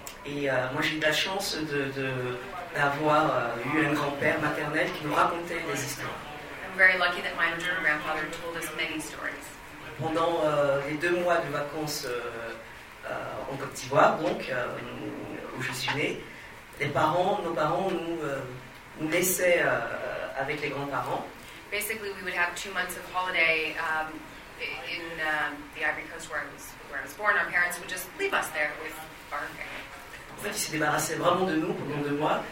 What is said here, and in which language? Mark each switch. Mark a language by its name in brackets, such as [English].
[French] Et moi, j'ai eu la chance d'avoir eu un grand-père maternel qui nous racontait des histoires. [English] I'm very lucky that my maternal grandfather told us many stories. [French] Pendant les 2 mois de vacances en Côte d'Ivoire, donc où je suis née, nos parents nous laissaient avec les grands-parents. [English] Basically, we would have 2 months of holiday the Ivory Coast where I was born. Our parents would just leave us there with our parents. [French] En fait, ils se débarrassaient vraiment de nous pendant 2 mois.